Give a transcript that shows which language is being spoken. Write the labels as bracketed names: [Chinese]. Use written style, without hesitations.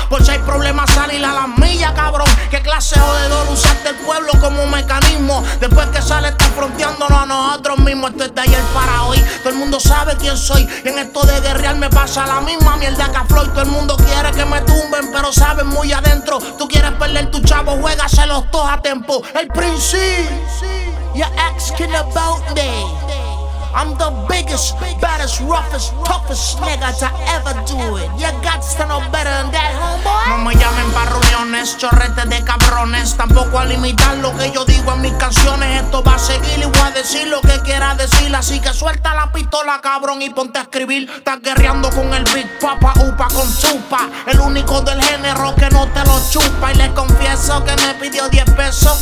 [Spanish] Por si hay problemas, salir a las millas, cabrón. ¿Qué clase jodedor usaste el pueblo como mecanismo? Después que sale, estás fronteándonos a nosotros mismos. Esto es de ayer para hoy. Todo el mundo sabe quién soy. Y en esto de guerrear me pasa la misma mierda que a Floyd. Todo el mundo quiere que me tumben, pero saben muy adentro. Tú quieres perder tu chavo, juégaselos todos a tiempo. [English] El Prince, you're asking about me. I'm the biggest, baddest, roughest, toughest nigga to ever do it. You got to know better than that, homeboy. [Spanish] No me llamen pa' reuniones, chorretes de cabrones. Tampoco a limitar lo que yo digo en mis canciones. Esto va a seguir y voy a decir lo que quiera decir. Así que suelta la pistola, cabrón, y ponte a escribir. Estás guerreando con el Big Papa, upa con chupa. El único del género que no te lo chupa. Y les confieso que me pidió 10 pesos.